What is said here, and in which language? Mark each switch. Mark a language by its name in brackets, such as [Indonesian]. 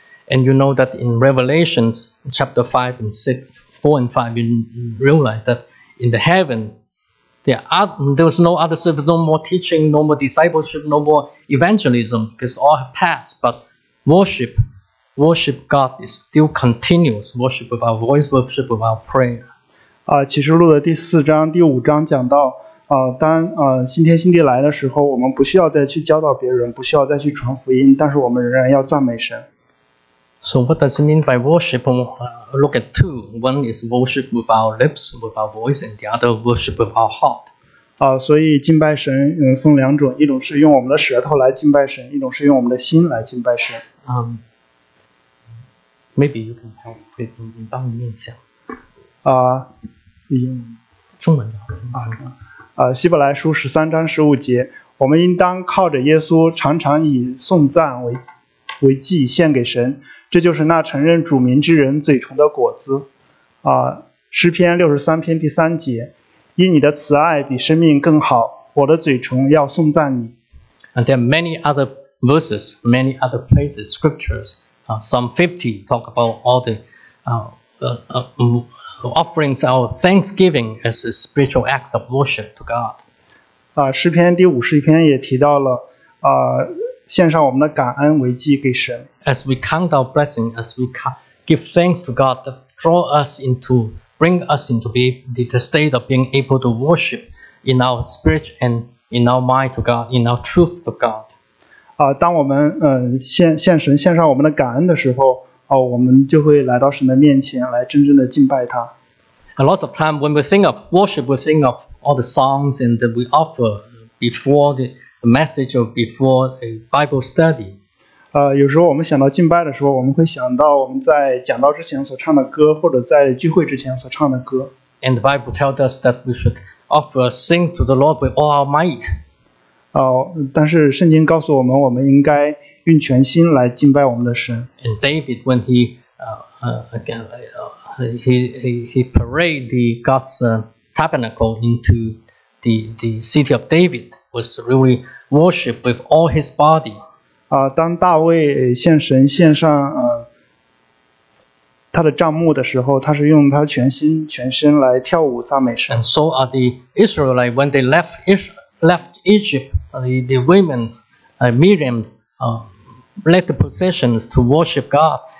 [English] And you know that in Revelations chapter 5 and 6,4 and 5, you realize that in the heaven, there was no other service, no more teaching, no more discipleship, no more evangelism, because all have passed. But worship God is still continuous. Worship with our voice, worship with our prayer. [Chinese] 启示录的第四章、第五章讲到，当新天新地来的时候，我们不需要再去教导别人，不需要再去传福音，但是我们仍然要赞美神。 [English] So what does it mean by worship? Look at two. One is worship with our lips, with our voice, and the other worship with our heart. [Chinese] 所以敬拜神分两种，一种是用我们的舌头来敬拜神，一种是用我们的心来敬拜神。 [English] Maybe you can help with me, [Chinese] 帮你念一下。用中文的。希伯来书十三章十五节，我们应当靠着耶稣，常常以颂赞为祭献给神。这就是那承认主名之人嘴唇的果子。诗篇六十三篇第三节，因你的慈爱比生命更好，我的嘴唇要颂赞你。 [English] And there are many other verses, many other places, scriptures, some 50 talk about all the offerings of thanksgiving as a spiritual acts of worship to God. [Chinese] 诗篇第五十篇也提到了献上我们的感恩为祭给神。 [English] As we count our blessing, as we give thanks to God, that draw us into, bring us into the state of being able to worship in our spirit and in our mind to God, in our truth to God. [Chinese] 当我们献神献上我们的感恩的时候，我们就会来到神的面前来真正的敬拜他。 [English] A lot of time when we think of worship, we think of all the songs and that we offer before the message of before a Bible study. [Chinese] 有时候我们想到敬拜的时候，我们会想到我们在讲道之前所唱的歌，或者在聚会之前所唱的歌。 [English] And the Bible tells us that we should offer things to the Lord with all our might. [Chinese] 但是圣经告诉我们，我们应该用全心来敬拜我们的神。 [English] And David, when he paraded the God's tabernacle into the city of David. Was really worship with all his body. [Chinese] 当大卫献神献上他的帐幕的时候，他是用他全心全身来跳舞赞美神。 [English] And so are the Israelites when they left Egypt. The women, Miriam, left the possessions to worship God.